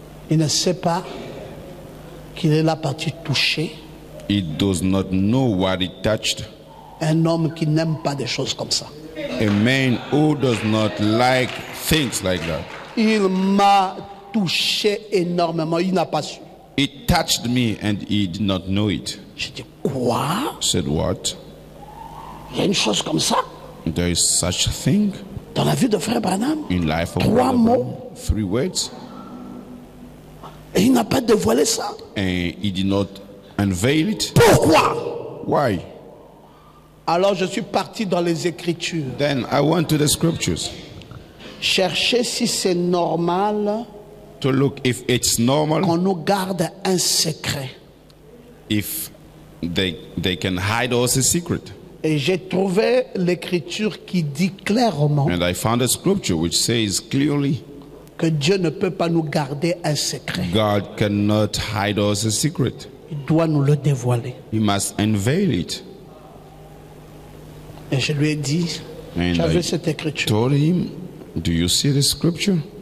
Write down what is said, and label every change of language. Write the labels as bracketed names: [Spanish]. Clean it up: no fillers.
[French] Il ne sait pas qu'il est la partie touchée. [English] He does not know what he touched. [French] Un homme qui n'aime pas des choses comme ça. [English] A man who does not like things like that. [French] Il m'a touché énormément. Il n'a pas su. [English] He touched me and he did not know it. [French] J'ai dit quoi? [English] Said what? [French] Il y a une chose comme ça? [English] There is such a thing? [French] Dans la vie de Frère Branham? [English] In life of [French] trois [English] Brother [French] mots? [English] Branham, three words? [French] Et il n'a pas dévoilé ça? [English] And he did not unveil it? [French] Pourquoi? [English] Why? [French] Alors je suis parti dans les Écritures. [English] Then I went to the Scriptures. [French] Chercher si c'est normal. [English] To look if it's normal. [French] Qu'on nous garde un secret. [English] If they can hide us a secret. [French] Et j'ai trouvé l'écriture qui dit clairement. [English] And I found a scripture which says clearly. [French] Que Dieu ne peut pas nous garder un secret. [English] God cannot hide us a secret. [French] Il doit nous le dévoiler. [English] He must unveil it. [French] Et je lui ai dit, tu as vu cette écriture? [English] Told him, do you see the scripture?